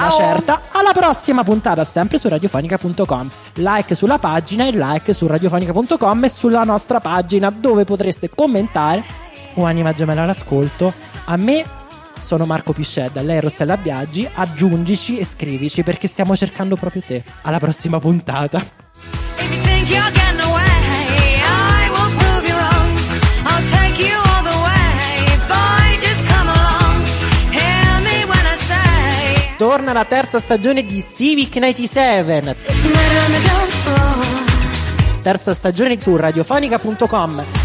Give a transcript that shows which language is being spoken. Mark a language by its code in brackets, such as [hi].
[it] una certa. Alla prossima puntata, sempre su radiofonica.com. Like sulla pagina e like su radiofonica.com e sulla nostra pagina, dove potreste commentare. Un'anima gemella all'ascolto. A me, sono Marco Piscedda, lei è Rossella Biaggi. Aggiungici e scrivici, perché stiamo cercando proprio te. Alla prossima puntata. [en] You're getting away, I will prove you wrong. I'll take you all the way. Boy, just come along. Hear me when I say. [it] Torna la terza stagione di Civic 97. [en] It's murder on the dance floor. [it] Terza stagione su radiofonica.com.